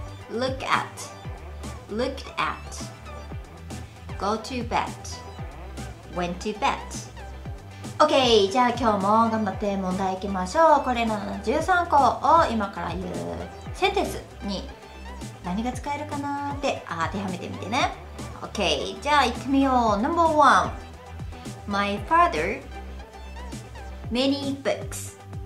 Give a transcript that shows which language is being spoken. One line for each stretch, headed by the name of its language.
English: look at looked at go to bed went to bed OK
Japanese: じゃあ今日も頑張って問題いきましょう。これの13個を今から言うセンテンスに何が使えるかなって当てはめてみてね。 Okay, じゃあ行ってみよう。
English: Number one, My father many books.